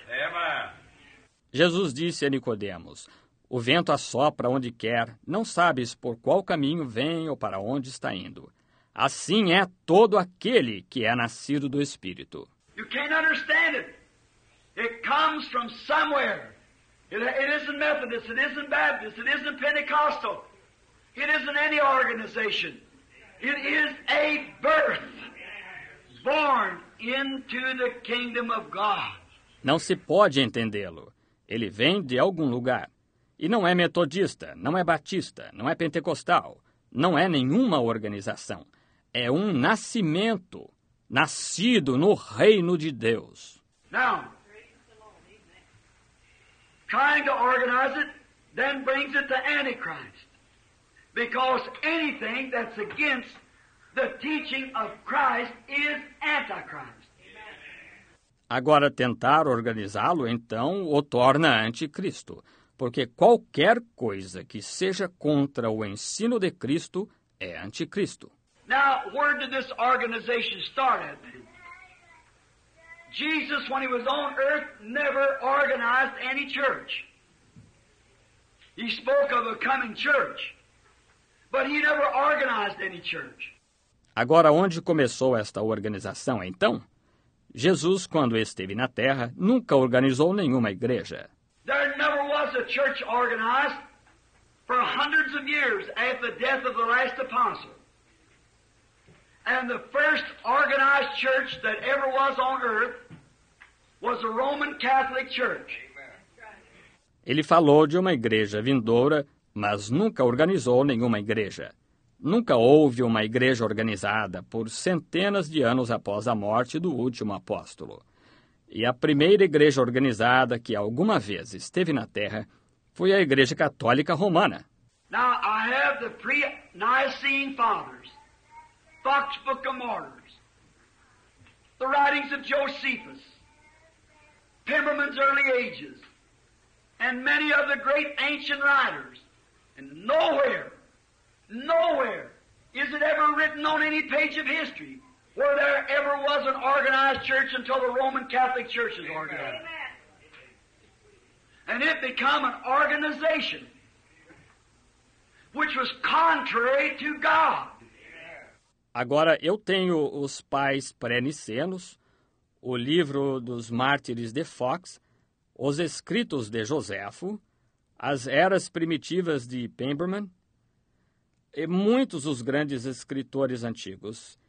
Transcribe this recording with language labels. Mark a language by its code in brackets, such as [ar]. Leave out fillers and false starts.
[pt] Amen. Jesus disse a Nicodemus, o vento assopra onde quer, não sabes por qual caminho vem ou para onde está indo. Assim é todo aquele que é nascido do Espírito. [en] You can't understand it. It comes from somewhere. It isn't Methodist, it isn't Baptist, it isn't Pentecostal. It isn't any organization. It is a birth born into the kingdom of God. [pt] Não se pode entendê-lo. Ele vem de algum lugar. E não é metodista, não é batista, não é pentecostal. Não é nenhuma organização. É um nascimento, nascido no reino de Deus. [en] Now, trying to organize it, then brings it to Antichrist. Because anything that's against the teaching of Christ is Antichrist. [pt] Agora, tentar organizá-lo, então, o torna anticristo. Porque qualquer coisa que seja contra o ensino de Cristo é anticristo. [en] Now, where did this organization start at? Jesus, when he was on earth, never organized any church. He spoke of a coming church, but he never organized any church. [pt] Agora, onde começou esta organização, então? Jesus, quando esteve na terra, nunca organizou nenhuma igreja. [en] There never was a church organized for hundreds of years after the death of the last apostle. And the first organized church that ever was on earth was the Roman Catholic Church. [pt] Ele falou de uma igreja vindoura, mas nunca organizou nenhuma igreja. Nunca houve uma igreja organizada por centenas de anos após a morte do último apóstolo. E a primeira igreja organizada que alguma vez esteve na Terra foi a Igreja Católica Romana. [en] Now, I have the pre-Nicene Fathers, Fox Book of Martyrs, the writings of Josephus, Timmerman's Early Ages, and many of the great ancient writers. And nowhere, nowhere is it ever written on any page of history where there ever was an organized church until the Roman Catholic Church is organized. Amen. And it became an organization which was contrary to God. [pt] Agora eu tenho os pais pré-nicenos, o livro dos mártires de Fox, os escritos de Josefo, as eras primitivas de Pemberman e muitos os grandes escritores antigos.